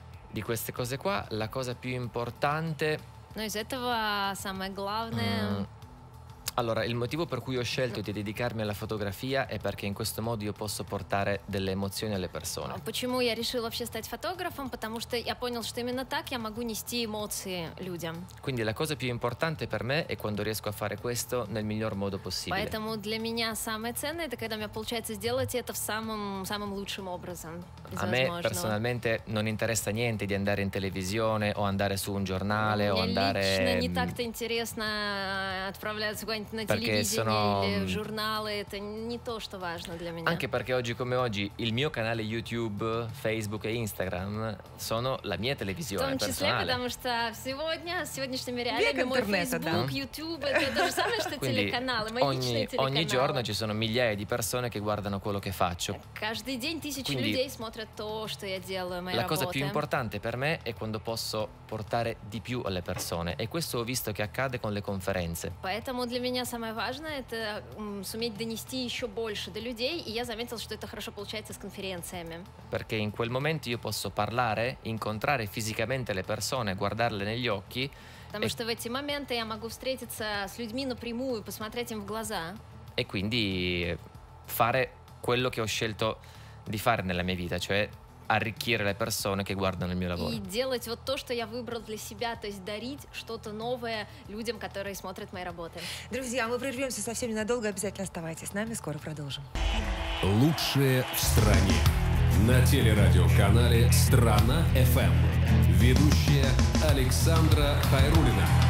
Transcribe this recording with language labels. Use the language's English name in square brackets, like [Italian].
[Italian] Di queste cose qua, la cosa più importante. [Russian] No, из этого самое главное. [Italian] Allora, il motivo per cui ho scelto di dedicarmi alla fotografia è perché in questo modo io posso portare delle emozioni alle persone. [Russian] Почему я решил вообще стать фотографом? Потому что я понял, что именно так я могу нести эмоции людям. [Italian] Quindi la cosa più importante per me è quando riesco a fare questo nel miglior modo possibile. [Russian] Поэтому для меня самое ценное это когда у меня получается сделать это в самым лучшим образом. [Italian] A me personalmente non interessa niente di andare in televisione o andare su un giornale o andare. [Russian] Лично не так-то интересно отправляться. [Italian] Perché sono giornali, [Russian] это не то, что важно для меня. [Italian] Anche perché oggi come oggi il mio canale YouTube, Facebook e Instagram sono la mia televisione personale. [Russian] В том числе, потому что сегодня, с сегодняшними реалиями, мой Facebook, YouTube, это то же самое, что телеканалы, мои личные телеканалы. [Italian] Ogni giorno ci sono migliaia di persone che guardano quello che faccio. [Russian] Каждый день тысячи людей смотрят то, что я делаю, мои работы. [Italian] La cosa più importante per me è quando posso portare di più alle persone e questo ho visto che accade con le conferenze. [Russian] Поэтому для меня самое важное это суметь донести еще больше до людей, и я заметил, что это хорошо получается с конференциями. [Italian] Perché in quel momento io posso parlare, incontrare fisicamente le persone, guardarle negli occhi. [Russian] Потому что в эти моменты я могу встретиться с людьми напрямую, посмотреть им в глаза. [Italian] E quindi fare quello che ho scelto di fare nella mia vita, cioè arricchire le persone che guardano il mio lavoro. [Russian] И делать вот то, что я выбрал для себя, то есть дарить что-то новое людям, которые смотрят мои работы. Друзья, мы прервемся совсем ненадолго, обязательно оставайтесь с нами, скоро продолжим. Лучшие в стране. На телерадиоканале «Страна FM». Ведущая Александра Хайрулина.